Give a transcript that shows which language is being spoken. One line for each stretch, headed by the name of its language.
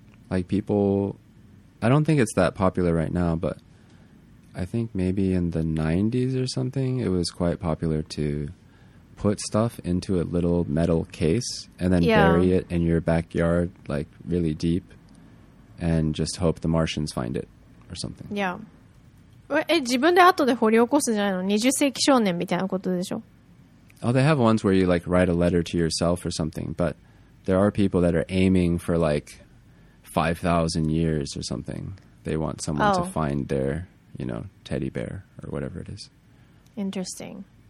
English: Like people, I don't think it's that popular right now, but I think maybe in the 90s or something, it was quite popular to put stuff into a little metal case and then yeah. bury it in your backyard, like really deep, and just hope the Martians find it or something. Yeah.
Japanese: え、自分で後で掘り起こすじゃないの？20世紀少年みたいなことでしょ？
English: Oh, they have ones where you like write a letter to yourself or something, but there are people that are aiming for like 5,000 years or something. They want someone to find their, you know, teddy bear or whatever it is. Interesting.